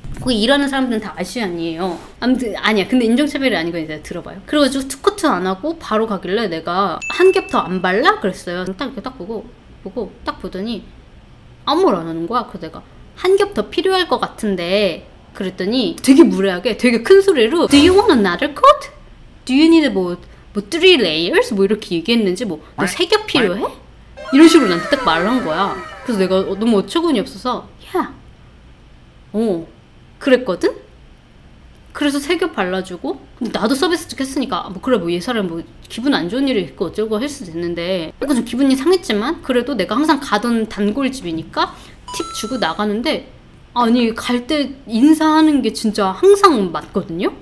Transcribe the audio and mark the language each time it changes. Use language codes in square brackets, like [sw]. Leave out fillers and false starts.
[ko] 거기 일하는 사람들은 다 아시 아니에요. 아무튼 아니야. 근데 인종차별이 아닌 건 이제 들어봐요. 그래가지고 투커트 안 하고 바로 가길래 내가 한 겹 더 안 발라? 그랬어요. 딱 이렇게 딱 보고 딱 보더니 아무 말 안 하는 거야. 그래서 내가 한 겹 더 필요할 것 같은데 그랬더니 되게 무례하게 되게 큰 소리로 [en] Do you want another coat? Do you need 뭐 three layers? [ko] 뭐 이렇게 얘기했는지 뭐 세 겹 필요해? 이런 식으로 나한테 딱 말을 한 거야. 그래서 내가 너무 어처구니 없어서 Yeah. 어. 그랬거든? 그래서 세 겹 발라주고 나도 서비스 쪽 했으니까 뭐 그래 뭐 얘 사람 뭐 기분 안 좋은 일이 있고 어쩌고 할 수도 있는데 약간 좀 기분이 상했지만 그래도 내가 항상 가던 단골집이니까 팁 주고 나가는데 아니 갈 때 인사하는 게 진짜 항상 맞거든요?